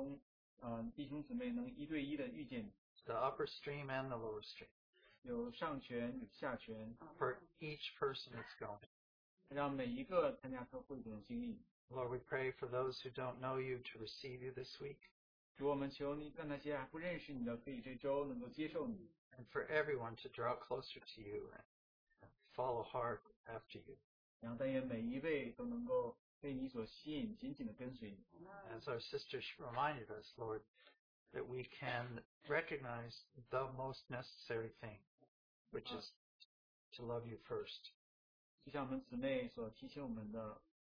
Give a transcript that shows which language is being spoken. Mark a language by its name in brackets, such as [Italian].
[Chinese] 我们也特别的祷告在这次特会当中，弟兄姊妹能一对一的遇见你。 [English] The upper stream and the lower stream. [Chinese] 有上权与下权。 [English] For each person that's going. [Chinese] 让每一个参加特会的经历。 [English] Lord, we pray for those who don't know you to receive you this week. [Chinese] 主，我们求你让那些还不认识你的可以这周能够接受你。 [English] And for everyone to draw closer to you and follow hard after you. [Chinese] 让但愿每一位都能够被你所吸引，紧紧的跟随你。 [English] As our sister reminded us, Lord, that we can recognize the most necessary thing, which is to love you first. [Chinese] 就像我们姊妹所提醒我们的。